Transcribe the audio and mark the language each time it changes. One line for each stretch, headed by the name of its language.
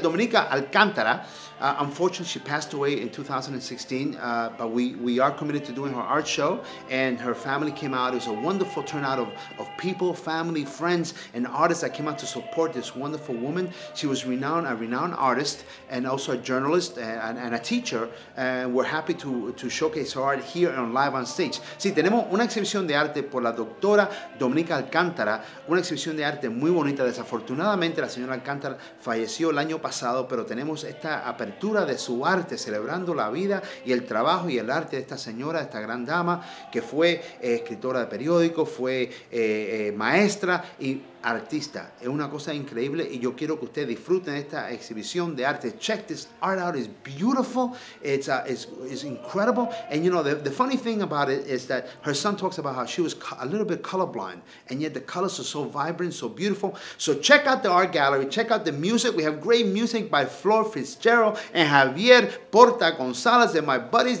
English: Dominica Alcantara, unfortunately, she passed away in 2016, but we are committed to doing her art show, and her family came out. It was a wonderful turnout of people, family, friends, and artists that came out to support this wonderful woman. She was a renowned artist, and also a journalist, and a teacher. And we're happy to showcase her art here on Live on Stage.
Spanish: Sí, tenemos una exhibición de arte por la doctora Dominica Alcántara, una exhibición de arte muy bonita. Desafortunadamente, la señora Alcántara falleció el año pasado, pero tenemos esta apertura de su arte, celebrando la vida y el trabajo y el arte de esta señora, de esta gran dama, que fue escritora de periódicos, fue maestra y... artista. Es una cosa increíble y yo quiero que ustedes disfruten esta exhibición de arte.
English: Check this art out. It's beautiful. It's incredible. And you know, the funny thing about it is that her son talks about how she was a little bit colorblind, and yet the colors are so vibrant, so beautiful. So check out the art gallery. Check out the music. We have great music by Flor Fitzgerald and Javier Porta Gonzalez. They're my buddies.